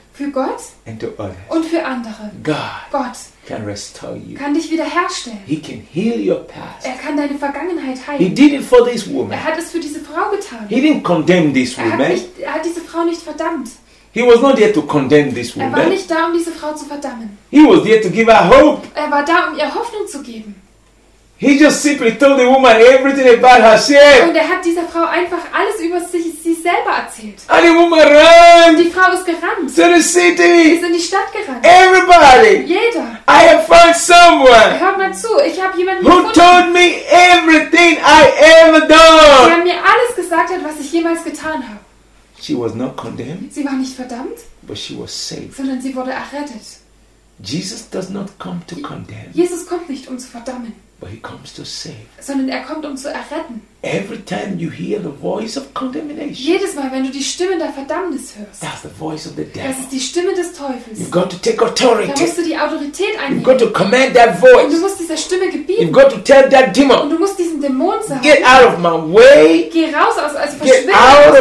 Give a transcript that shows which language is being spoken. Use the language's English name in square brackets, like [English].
[German] für Gott. [English] And to others. [German] Und für andere. Gott. [English] Can restore you. [German] Kann dich wiederherstellen. [English] He can heal your past. [German] Er kann deine Vergangenheit heilen. [English] He did it for this woman. [German] Er hat es für diese Frau getan. [English] He didn't condemn this woman. [German] Er hat diese Frau nicht verdammt. [English] He was not there to condemn this woman. [German] Er war nicht da, um diese Frau zu verdammen. [English] He was there to give her hope. [German] Er war da, um ihr Hoffnung zu geben. [English] He just simply told the woman everything about herself. [German] Und er hat dieser Frau einfach alles über sie selber erzählt. [English] And the woman ran. [German] Die Frau ist gerannt. [English] To the city. [German] Ist in die Stadt gerannt. [English] Everybody. [German] Jeder. [English] I have found someone. [German] Hör mal zu, ich habe jemanden [English] who [German] gefunden. [English] Who told me everything I ever done. [German] Der mir alles gesagt hat, was ich jemals getan habe. [English] She was not condemned. [German] Sie war nicht verdammt. [English] But she was saved. [German] Sondern sie wurde errettet. [English] Jesus does not come to condemn. [German] Jesus kommt nicht, um zu verdammen. [English] But he comes to save. [German] Sondern er kommt, um zu erretten. [English] Every time you hear the voice of condemnation. [German] Jedes Mal, wenn du die Stimme der Verdammnis hörst. [English] That's the voice of the devil. [German] Das ist die Stimme des Teufels. [English] You've got to take authority. [German] Da musst du die Autorität einnehmen. [English] You've got to command that voice. [German] Und du musst dieser Stimme gebieten. [English] You've got to tell that demon. [German] Und du musst diesem Dämon sagen. [English] Get out of my way. [German] Geh raus aus, also verschwinde [English] out [German] aus